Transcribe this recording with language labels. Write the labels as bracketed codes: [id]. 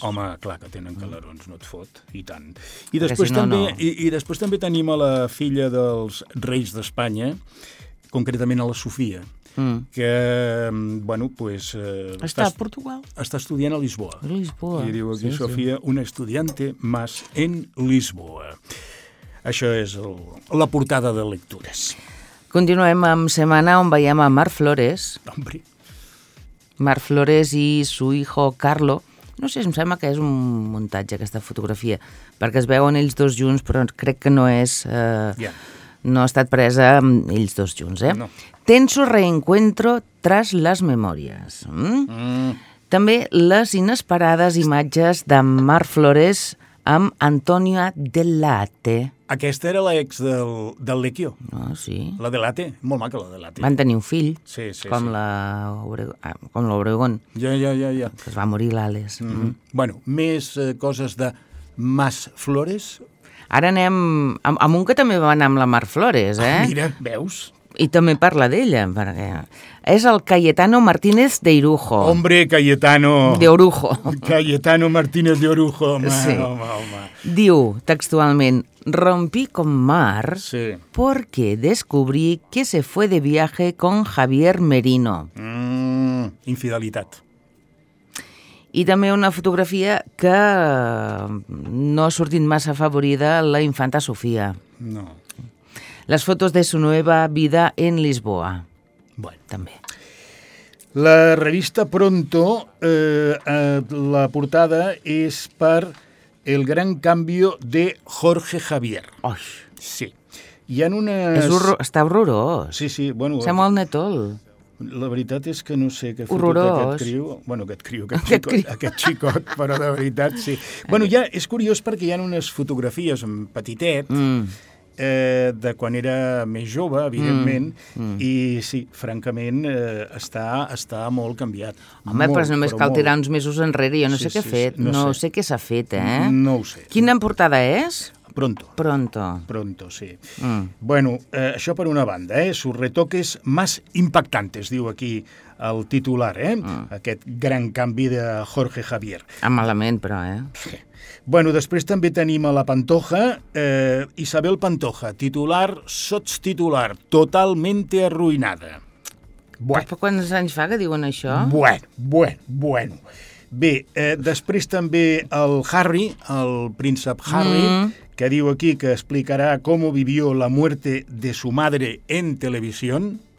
[ca] Home, clar que tenen calarons, no et fot, i tant. I després també tenim a la filla dels reis d'Espanya, concretament a la Sofia, que, bueno, pues... Està a Portugal. Està estudiant a Lisboa. A Lisboa. I diu aquí, sí, Sofia, sí. [es] Una estudiante más en Lisboa. [ca] Això és la portada de Lectures. Continuem amb Setmana, on veiem a Mar Flores. [es] Hombre... Mar Flores i su hijo Carlo. [ca] No sé, em sembla que és un muntatge, aquesta fotografia, perquè es veuen ells dos junts, però crec que no és... No ha estat presa amb ells dos junts, eh? No. [es] Tenso reencuentro tras las memorias. [ca] També les inesperades imatges de Mar Flores amb Antonia Delate. Aquesta era l'ex del Lequio. Ah, sí. La Delate, molt maca la Delate. Van tenir un fill, sí. Com l'Obregón. Ja. Que es va morir l'Àlex. Mm-hmm. Bueno, més coses de Mas Flores. Ara anem amb un que també va anar amb la Mar Flores, eh? Ah, mira, veus? I també parla d'ella, perquè és el Cayetano Martínez de Irujo. [es] Hombre, Cayetano... [ca] De Orujo. Cayetano Martínez de Orujo, home, sí. Home. Diu textualment, [es] rompí con Mar sí. porque descubrí que se fue de viaje con Javier Merino. [ca] Infidelitat. I també una fotografia que no ha sortit massa afavorida, la infanta Sofia. No. [es] Les fotos de su nueva vida en Lisboa. [ca] Bueno. També. La revista Pronto, la portada és per el [es] gran cambio [ca] de Jorge Javier. Oh. Sí. Hi ha unes... Està horrorós. Sí, sí. Bueno, sembla el Netol. La veritat és que no sé què ha fet aquest criu. Bueno, aquest xicot, però de veritat, sí. Bueno, ja és curiós perquè hi ha unes fotografies en petitet de quan era més jove, evidentment, i sí, francament, està molt canviat. Home, però només cal tirar uns mesos enrere, jo no sé què ha fet. No sé què s'ha fet, eh? No ho sé. Quina portada és? Pronto. Pronto. Pronto, sí. Mm. Bueno, això per una banda, eh? [es] Sus retoques más impactantes, [ca] diu aquí el titular, eh? Mm. Aquest gran canvi de Jorge Javier. Ah, malament, però, eh? Sí. Bueno, després també tenim a la Pantoja, Isabel Pantoja, titular, sotstitular, [es] totalmente arruinada. [ca] Bueno. Però quants anys fa que diuen això? Bueno. Bé, després també el Harry, el príncep Harry... Mm. Que diu aquí que explicarà com [es] vivió la muerte de su madre en televisión.